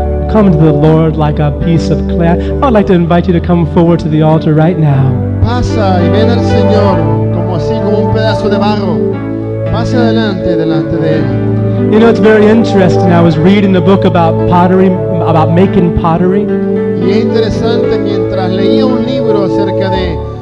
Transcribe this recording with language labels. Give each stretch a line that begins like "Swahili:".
English: Come to the Lord like a piece of clay. I'd like to invite you to come forward to the altar right now.
Spanish: Pasa y ven al Señor como así como un pedazo de barro. Pasa adelante, delante de Él.
English: You know, it's very interesting. I was reading a book about pottery, about making pottery.
Spanish: Y es interesante mientras leía un libro acerca de